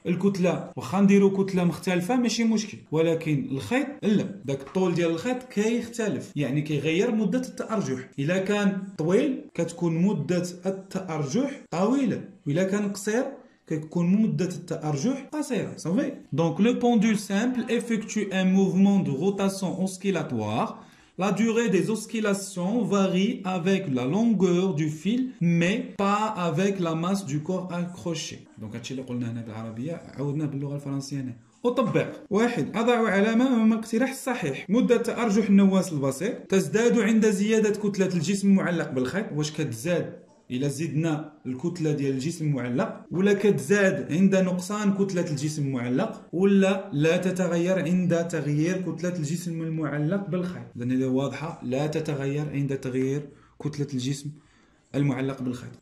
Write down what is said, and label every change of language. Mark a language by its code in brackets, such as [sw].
[ar] الكتله واخا نديرو كتله مختلفه ماشي مشكل، ولكن الخيط لا، داك الطول ديال الخيط كيختلف، يعني كيغير مدة التأرجح. إذا كان طويل كتكون مدة التأرجح طويلة، وإذا كان قصير كتكون مدة التأرجح قصيرة، صافي. [fr] دونك لو بوندول سامبل افكتو ان موفمون دو روتاسيون اوسكيلاتوار. La durée des oscillations varie avec la longueur du fil, mais pas avec la masse du corps accroché. [ar] Donc, هادشي اللي قلناه هنا بالعربية عاودناه باللغة الفرنسية هنا. أطبق. واحد، أضع علامة أمام الاقتراح الصحيح. مدة تأرجح النواس البسيط تزداد عند زيادة كتلة الجسم المعلق بالخيط. واش كتزاد إلا زدنا الكتلة ديال الجسم المعلق، ولا كتزاد عند نقصان كتلة الجسم المعلق، ولا لا تتغير عند تغيير كتلة الجسم المعلق بالخيط؟ إذن هذه واضحة، لا تتغير عند تغيير كتلة الجسم المعلق بالخيط.